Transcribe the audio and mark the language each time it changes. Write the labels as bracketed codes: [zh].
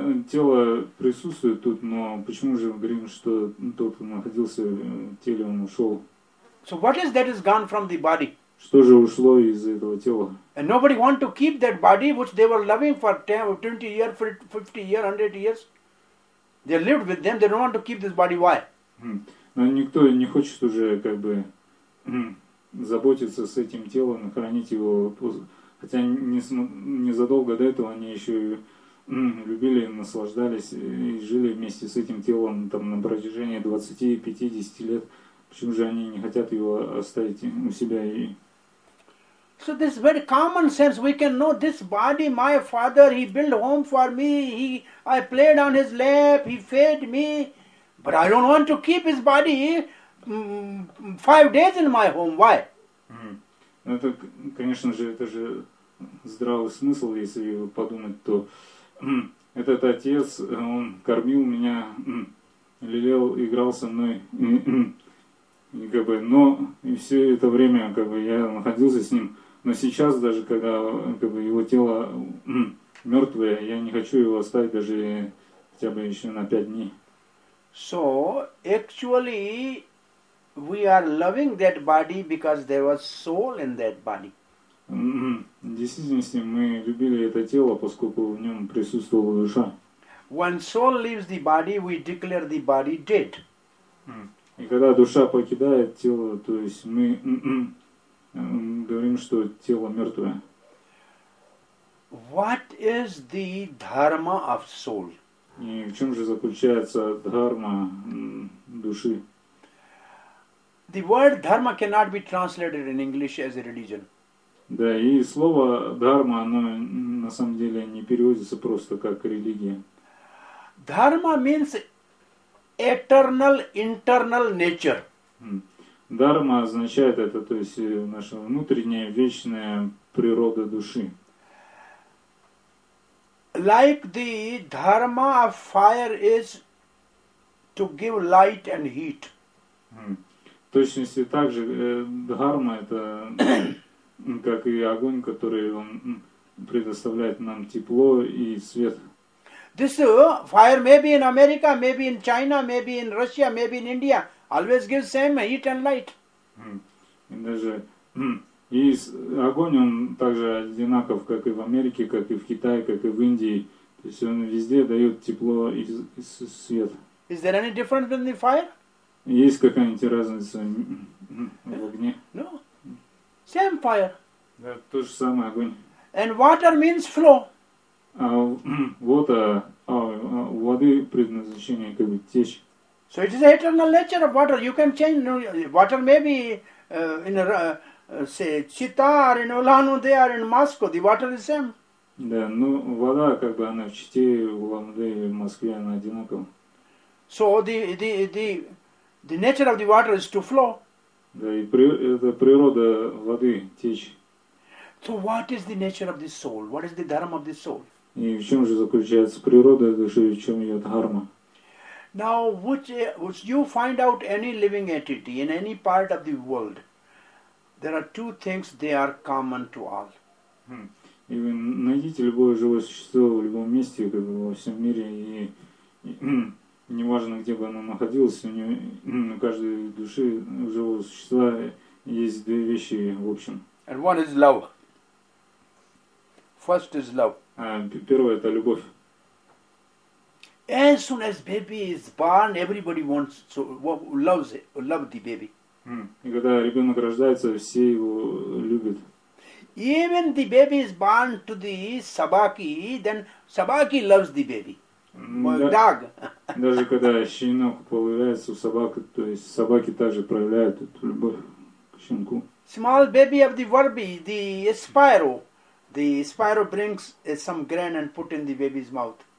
[ru] Тело присутствует тут, но почему же мы говорим, что тот, кто находился в теле, он ушел? [en] So what is that is gone from the body? [ru] Что же ушло из этого тела? [en] And nobody want to keep that body which they were loving for 20 years, 50 years, 100 years. They lived with them, they don't want to keep this body. Why? [ru] Но никто не хочет уже как бы заботиться с этим телом, хранить его. Хотя незадолго до этого они еще любили, наслаждались и жили вместе с этим телом там на протяжении 20-50 лет. Почему же они не хотят его оставить у себя и... [en] So this very common sense, we can know this body, my father, he built home for me, I played on his lap, he fed me, but I don't want to keep his body 5 days in my home, why? [ru] Это, конечно же, это же здравый смысл, если подумать, то этот отец, он кормил меня, лелел, играл со мной, как бы, но и все это время как бы, я находился с ним. Но сейчас, даже когда как бы, его тело мертвое, я не хочу его оставить даже хотя бы еще на 5 дней. [en] So, actually, we are loving that body because there was soul in that body. [ru] В действительности, мы любили это тело, поскольку в нем присутствовала душа. [en] When soul leaves the body, we declare the body dead. [ru] И когда душа покидает тело, то есть мы... говорим, что тело мертвое. [en] What is the dharma of soul? [ru] И в чем же заключается дхарма души? [en] The word dharma cannot be translated in English as a religion. [ru] Да, и слово дхарма, оно на самом деле не переводится просто как религия. [en] Dharma means eternal internal nature. [ru] Дхарма означает это, то есть наша внутренняя вечная природа души. [en] Like the dharma of fire is to give light and heat. [ru] В точности так же дхарма это как и огонь, который он предоставляет нам тепло и свет. [en] This fire may be in America, maybe in China, maybe in Russia, maybe in India. Always gives same heat and light. [ru] И даже и огонь он также одинаков, как и в Америке, как и в Китае, как и в Индии. То есть он везде дает тепло и свет. [en] Is there any difference in the fire? [ru] Есть какая-нибудь разница в огне? [en] No. Same fire. [ru] Да, то же самое огонь. [en] And water means flow. [ru] Воды предназначение как бы течь. [en] So it is the eternal nature of water. You can change water. Maybe in say Chita or in Ulanu, they are in Moscow. The water is same. [ru] Да, ну вода как бы она в Чите, в Улан-Удэ, в Москве она одинакова. [en] So the nature of the water is to flow. [ru] Да, и это природа воды течь. [en] So what is the nature of the soul? What is the dharma of the soul? [ru] И в чем же заключается природа души? В чем ее дхарма? [en] Now, would you find out any living entity in any part of the world? There are two things, they are common to all. [ru] И вы найдите любое живое существо в любом месте, как бы во всем мире, и неважно, где бы оно находилось, у нее, у каждой души у живого существа есть две вещи в общем. [en] And one is love. First is love. [ru] Первое – это любовь. [en] As soon as baby is born, everybody wants to love the baby. [ru] И когда ребенок рождается, все его любят. [en] Even the baby is born to the [ru] собаки, [en] then собаки loves the baby. Dog. [ru] Даже когда щенок появляется у собаки, то есть собаки также проявляют эту любовь к щенку. [en] Small baby of the Warby, the Spyro. The Spyro brings some grain and put in the baby's mouth.